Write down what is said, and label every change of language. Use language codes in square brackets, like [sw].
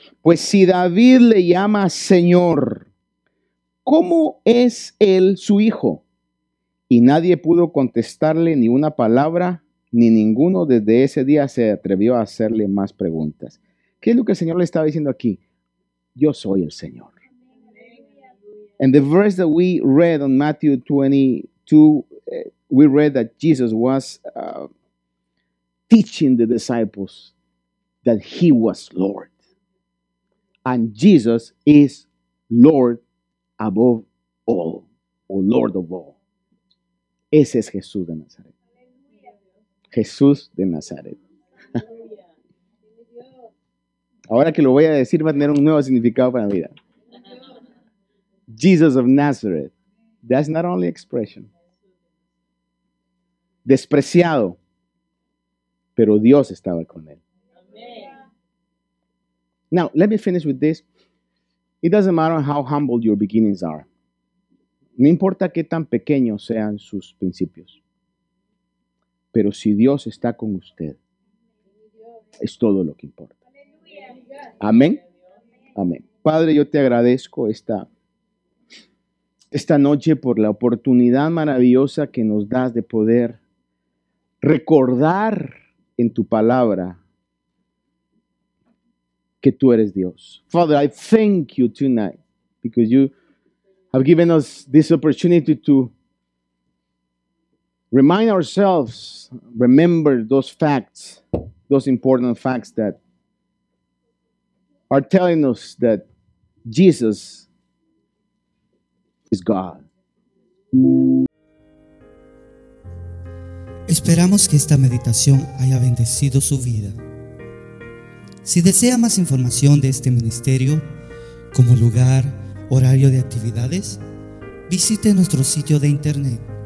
[es] Pues si David le llama Señor, ¿cómo es él su hijo? Y nadie pudo contestarle ni una palabra, ni ninguno desde ese día se atrevió a hacerle más preguntas. ¿Qué es lo que el Señor le estaba diciendo aquí? Yo soy el Señor. [en] In the verse that we read on Matthew 22, we read that Jesus was teaching the disciples that he was Lord. And Jesus is Lord above all, or Lord of all. [es] Ese es Jesús de Nazaret. Jesús de Nazaret. Ahora que lo voy a decir, va a tener un nuevo significado para la vida. [en] Jesus of Nazareth. That's not only expression. [es] Despreciado. Pero Dios estaba con él. [en] Now, let me finish with this. It doesn't matter how humble your beginnings are. [es] No importa qué tan pequeños sean sus principios. Pero si Dios está con usted, es todo lo que importa. Amén. Amén. Padre, yo te agradezco esta noche por la oportunidad maravillosa que nos das de poder recordar en tu palabra que tú eres Dios. [en] Father, I thank you tonight because you have given us this opportunity to remind ourselves, remember those facts, those important facts that are telling us that Jesus is God. [es] Esperamos que esta meditación haya bendecido su vida. Si desea más información de este ministerio, como lugar, horario de actividades, visite nuestro sitio de internet.